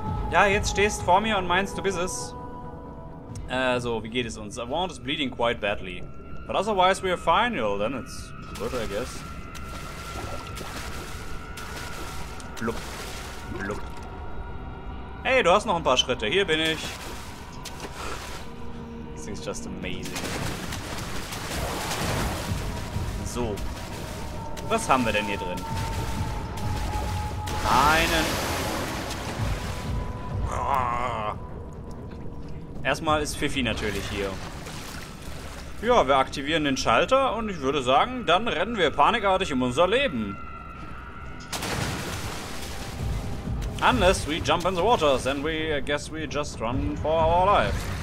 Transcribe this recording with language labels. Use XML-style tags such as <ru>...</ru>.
<de>Ja, jetzt stehst vor mir und meinst, du bist es. So, wie geht es uns?</de> <en>A wound is bleeding quite badly. But otherwise we are fine, you know, then it's good, I guess.</en> <de>Blub. Blub. Hey, du hast noch ein paar Schritte. Hier bin ich.</de> <en>This thing's just amazing.</en> <de>So. Was haben wir denn hier drin? Einen. Erstmal ist Fifi natürlich hier. Ja, wir aktivieren den Schalter und ich würde sagen, dann rennen wir panikartig um unser Leben.</de> <en>Unless we jump in the water, then we, I guess we just run for our life.</en>